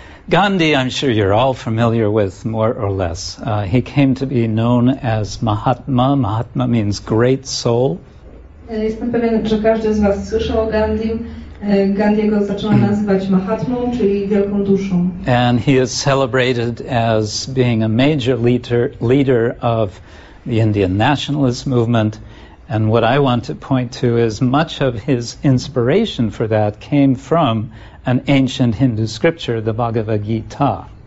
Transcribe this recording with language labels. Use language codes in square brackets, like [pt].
[en] Gandhi, I'm sure you're all familiar with, more or less. He came to be known as Mahatma. Mahatma means great soul. [pl] Jestem pewien, że każdy z was słyszał o Gandhim. Gandhiego zaczęła nazywać Mahatmą, czyli wielką duszą. [en] And he is celebrated as being a major leader of the Indian nationalist movement. And what I want to point to is much of his inspiration for that came from an ancient Hindu scripture, the Bhagavad Gita.